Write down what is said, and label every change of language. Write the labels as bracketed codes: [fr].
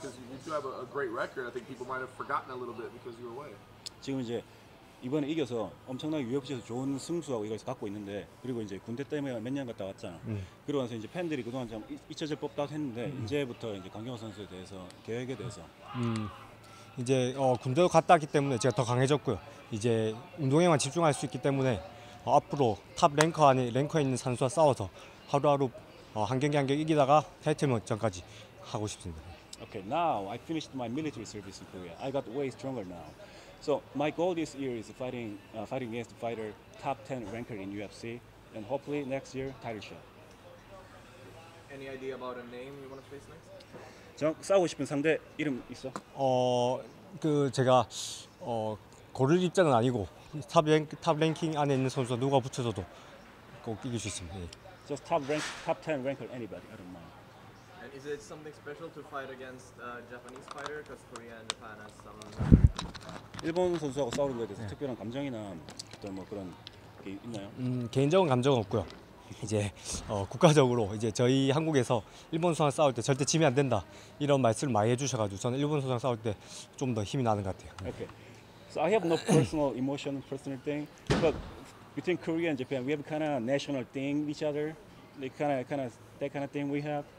[en] Because you do have a great record. I think people might have forgotten a little bit because you were away. [ko] 지금 이제 이번에 이겨서 엄청난 UFC에서 좋은 승수하고 이걸 갖고 있는데 그리고 이제 군대 때문에 몇 년 갔다 왔잖아. 그러고 나서 이제 팬들이 그동안 좀 잊혀질 법도 했는데 이제부터 이제 강경호 선수에 대해서 계획에 대해서. 이제 군대도 갔다 왔기 때문에 제가 더 강해졌고요. 이제 운동에만 집중할 수 있기 때문에 앞으로 탑 랭커 안에 랭커에 있는 선수와 싸워서 하루하루 한 경기 한 경기 이기다가 타이틀 전까지 하고 싶습니다. [en] Okay, now I finished my military service in Korea. I got way stronger now. So my goal this year is fighting against the fighter top 10 ranker in UFC, and hopefully next year title shot. Any idea about a name you want to face next? [ko] 저 싸우고 싶은 상대 이름 있어? 그 제가 고를 입장은 아니고 탑 랭킹 안에 있는 선수 누가 붙여줘도 꼭 이길 수 있습니다. [en] Just top 10 ranker anybody, I don't mind. And is it something special to fight against a Japanese fighter? Because Korea and Japan has some. [ko] 일본 선수하고 싸우는 거에 대해서 네. 특별한 감정이나 어떤 뭐 그런 게 있나요? 개인적인 감정은 없고요. 이제 국가적으로 이제 저희 한국에서 일본 선수와 싸울 때 절대 지면 안 된다 이런 말씀을 많이 해주셔가지고 저는 일본 선수랑 싸울 때 좀 더 힘이 나는 것 같아요. [en] Okay. So I have no personal emotion, personal thing. But between Korea and Japan, we have kind of national thing each other. Like kind of that kind of thing we have.